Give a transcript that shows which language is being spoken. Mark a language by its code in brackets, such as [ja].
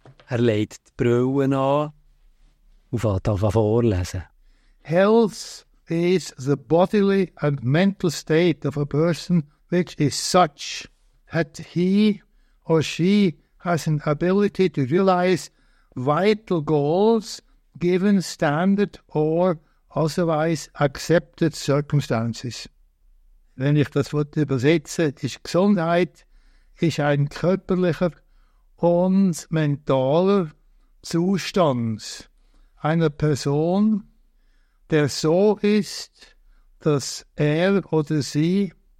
[de] Er legt die Brille an und fängt an zu vorlesen. [en] Health is the bodily and mental state of a person which is such that he or she has an ability to realize vital goals given standard or otherwise accepted circumstances. [de] Wenn ich das Wort übersetze, ist Gesundheit ist ein körperlicher und mentaler Zustand einer Person, der so ist, dass er oder sie